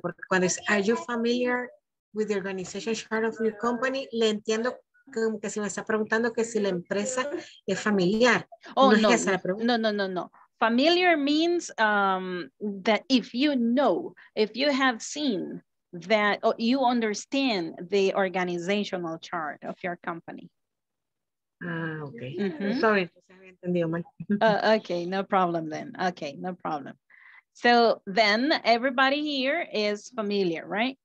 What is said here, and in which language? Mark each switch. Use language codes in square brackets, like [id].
[es] Porque cuando dice, [en] are you familiar with the organization chart of your company? [es] Le entiendo como que si me está preguntando que si la empresa es familiar. Oh, no. Es no, no, no, no. [en] Familiar means that if you know, if you have seen that you understand the organizational chart of your company. Ah, okay. Mm-hmm. Sorry. Okay, no problem then. Okay, no problem. So then everybody here is familiar, right?